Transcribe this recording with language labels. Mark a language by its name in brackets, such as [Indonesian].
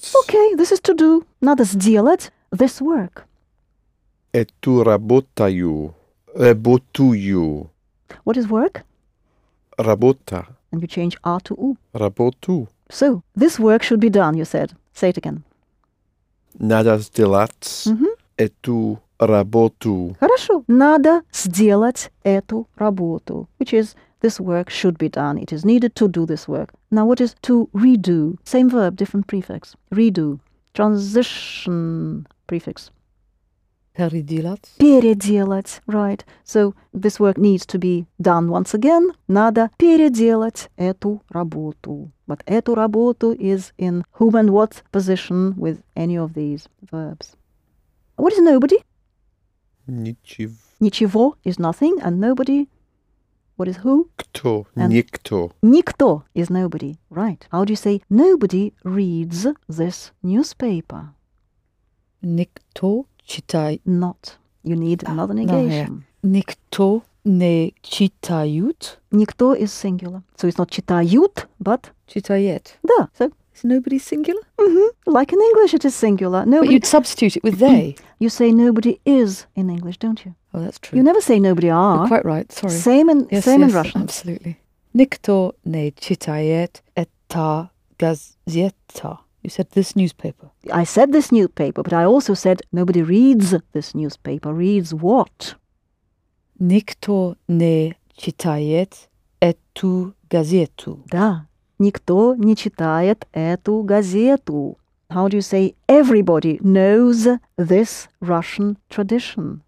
[English] Okay, this is to do. [Russian] Надо сделать [English] this work. [Russian] Эту работаю. Работаю. [English] What is work? [Russian] Работа. [English] And you change А to У. [Russian] Работу. [English] So, this work should be done, you said. Say it again. [Russian] Надо сделать эту работу. Хорошо. Надо сделать эту работу. [English] Which is, this work should be done. It is needed to do this work. Now, what is to redo? Same verb, different prefix. Redo. Transition prefix. [Russian] Переделать. Переделать, right. [English] So this work needs to be done once again. [Russian] Надо переделать эту работу. [English] But [Russian] эту работу [English] is in whom and what position with any of these verbs. What is nobody? [Russian] Ничего. [English] Ничего is nothing, and nobody. What is who? [Russian] Кто. And никто. [English] Никто is nobody, right. How do you say nobody reads this newspaper? [Russian] Никто. Читай. [English] Not. You need another negation. [Russian] Никто не читают. [English] Никто is singular. So it's not читают, but... [Russian] Читает. Да. [English] So is nobody singular? Mm-hmm. Like in English, it is singular. Nobody... But you'd substitute it with they. You say nobody is in English, don't you? Oh, that's true. You never say nobody are. You're quite right, sorry. Same in, yes, same yes, in Russian. Absolutely. [Russian] Никто не читает эта газета. [English] You said this newspaper. I said this newspaper, but I also said nobody reads this newspaper. Reads what? [Russian] Никто не читает эту газету. Да. Никто не читает эту газету. [English] How do you say everybody knows this Russian tradition?